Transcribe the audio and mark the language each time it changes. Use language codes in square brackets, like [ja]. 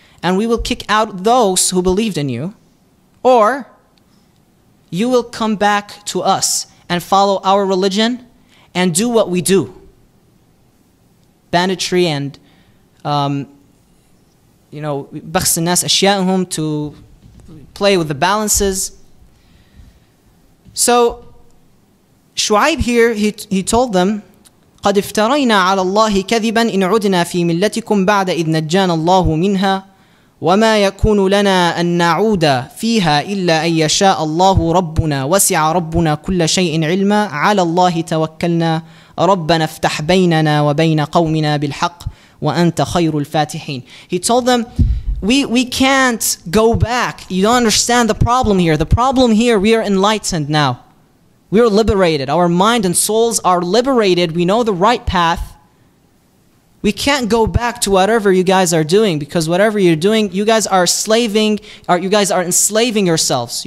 [en] And we will kick out those who believed in you. Or you will come back to us and follow our religion and do what we do. Banditry and [ar] بَخْسِ النَّاسِ أَشْيَاءُهُمْ, [en] to play with the balances. So Shu'aib here, he told them, [ar] قَدْ افْتَرَيْنَا عَلَى اللَّهِ كَذِبًا إِنْ عُدْنَا فِي مِلَّتِكُمْ بَعْدَ إِذْ نَجَّانَ اللَّهُ مِنْهَا وَمَا يَكُونُ لَنَا أَنْ نَعُودَ فِيهَا إِلَّا أَنْ يَشَاءَ اللَّهُ رَبُّنَا وَسِعَ رَبُّنَا كُلَّ شَيْءٍ عِلْمًا عَلَى اللَّهِ تَوَكَّلْنَا رَبَّنَا افْتَحْ بَيْنَنَا وَبَيْنَ قَوْمِنَا بِالْحَقِّ وَأَنْتَ خَيْرُ الْفَاتِحِينَ. [en] He told them, we can't go back. You don't understand the problem here. The problem here, we are enlightened now. We are liberated. Our mind and souls are liberated. We know the right path. We can't go back to whatever you guys are doing, because whatever you're doing, you guys are slaving, or you guys are enslaving yourselves.